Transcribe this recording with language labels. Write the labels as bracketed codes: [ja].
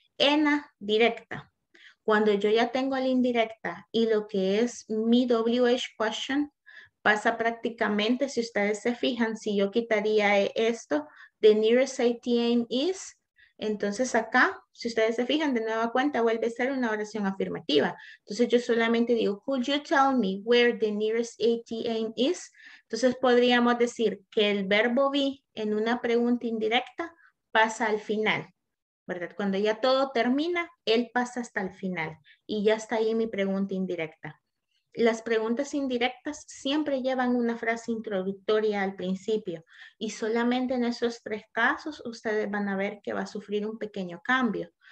[es] En la directa. Cuando yo ya tengo la indirecta y lo que es mi WH question, pasa prácticamente, si ustedes se fijan, si yo quitaría esto, [en] the nearest ATM is, [es] entonces acá, si ustedes se fijan, de nueva cuenta vuelve a ser una oración afirmativa. Entonces yo solamente digo, [en] could you tell me where the nearest ATM is? [es] Entonces podríamos decir que el verbo be en una pregunta indirecta pasa al final, ¿verdad? Cuando ya todo termina, él pasa hasta el final y ya está ahí mi pregunta indirecta. Las preguntas indirectas siempre llevan una frase introductoria al principio y solamente en esos tres casos ustedes van a ver que va a sufrir un pequeño cambio.